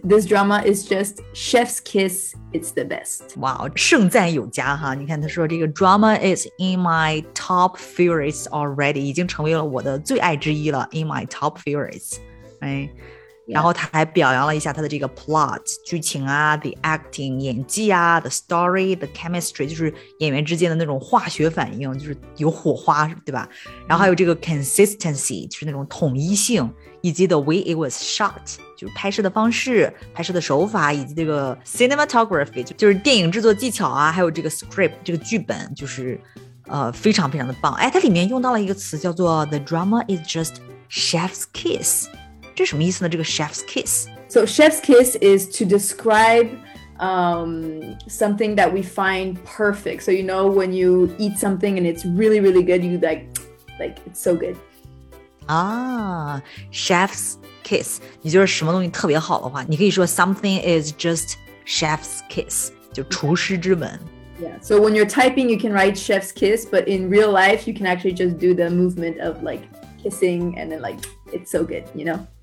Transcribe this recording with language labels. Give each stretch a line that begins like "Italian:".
English: This drama is just chef's kiss. It's the best.
Chinese: Wow, 盛赞有加哈！你看他说这个
English: drama is in my top favorites already，
Chinese: 已经成为了我的最爱之一了。
English: In my top favorites, right?
Chinese: 然后他还表扬了一下他的这个 plot 剧情啊 ，the acting 演技啊 ，the story the chemistry 就是演员之间的那种化学反应，就是有火花，对吧？然后还有这个 consistency 就是那种统一性，以及 the way it was shot 就是拍摄的方式、拍摄的手法，以及这个 cinematography 就是电影制作技巧啊，还有这个 script 这个剧本就是。非常非常的棒。哎，它里面用到了一个词叫做
English: The drama is just chef's kiss.
Chinese: 这什么意思呢？这个 chef's kiss?
English: So chef's kiss is to describe something that we find perfect. So you know when you eat something and it's really, really good, you like it's so good. Chef's kiss.
Chinese: 你就是什么东西特别好的话，你可以说
English: something is just chef's kiss,
Chinese: 就厨师之门。
English: Yeah, so when you're typing, you can write chef's kiss, but in real life, you can actually just do the movement of like kissing and then like, it's so good, you know?